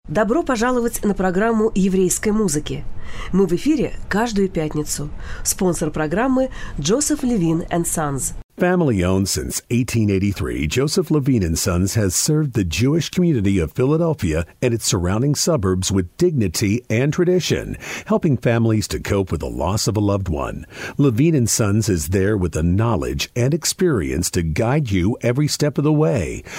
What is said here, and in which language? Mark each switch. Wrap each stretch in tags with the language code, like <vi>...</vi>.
<ru>Добро пожаловать на программу «Еврейской музыки». Мы в эфире каждую пятницу. Спонсор программы «Joseph Levin and Sons».</ru> <en>Family-owned since 1883, Joseph Levin & Sons has served the Jewish community of Philadelphia and its surrounding suburbs with dignity and tradition, helping families to cope with the loss of a loved one. Levin & Sons is there with the knowledge and experience to guide you every step of the way.</en>